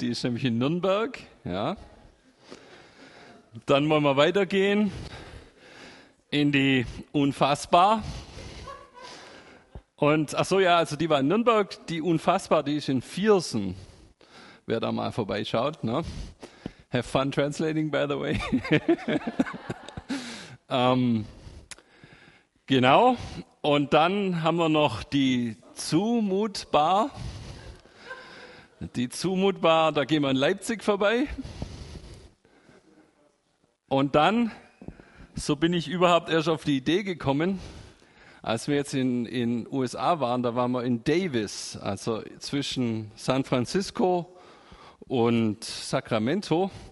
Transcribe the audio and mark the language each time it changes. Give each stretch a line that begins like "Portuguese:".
German: Die ist nämlich in Nürnberg. Ja. Dann wollen wir weitergehen in die Unfassbar. Und ach so, ja, also die war in Nürnberg, die Unfassbar, die ist in Viersen. Wer da mal vorbeischaut, ne?
English: Have fun translating, by the way.
German: genau, und dann haben wir noch die Zumutbar. Die Zumutbar, da gehen wir in Leipzig vorbei. Und dann, so bin ich überhaupt erst auf die Idee gekommen, als wir jetzt in USA waren, da waren wir in Davis, also zwischen San Francisco und Sacramento.